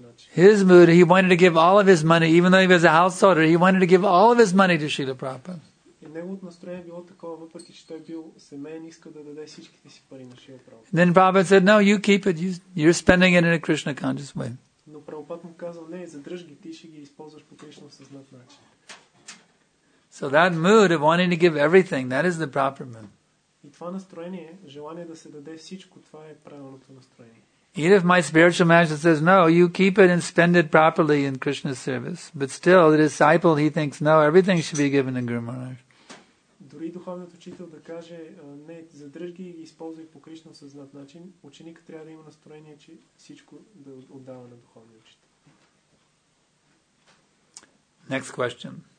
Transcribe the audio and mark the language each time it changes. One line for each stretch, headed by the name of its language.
English: His mood, he wanted to give all of his money, even though he was a householder, he wanted to give all of his money to Srila Prabhupada. And then Prabhupada said, no, you keep it, you're spending it in a Krishna conscious way.
Bulgarian: Но Прабхупад му казал, не, задръж ги, ти ще ги използваш по Кришна съзнат начин.
English: So that mood of wanting to give everything, that is the proper mood.
Bulgarian: И това настроение, желание да се даде всичко, това е правилното настроение.
English: Even if my spiritual master says, no, you keep it and spend it properly in Krishna's service. But still, the disciple, he thinks, no, everything should be given to Guru Maharaj.
Bulgarian: Дори духовният учител да каже, не, задръж ги и използвай по Кришна съзнат начин, ученикът трябва да има настроение, че всичко да отдава на духовния учител.
English: Next question.